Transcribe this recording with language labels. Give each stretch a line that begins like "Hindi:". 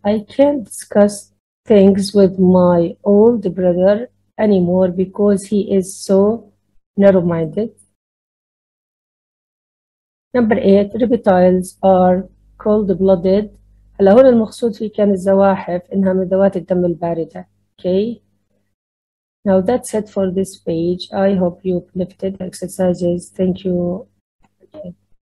English: I can't discuss things with my old brother anymore because he is so narrow-minded. Number 8. Reptiles are cold-blooded.
Arabic: هلا هون المقصود فيه كان الزواحف إنها من ذوات الدم الباردة.
English: Okay. Now that's it for this page. I hope you've lifted exercises. Thank you. Okay.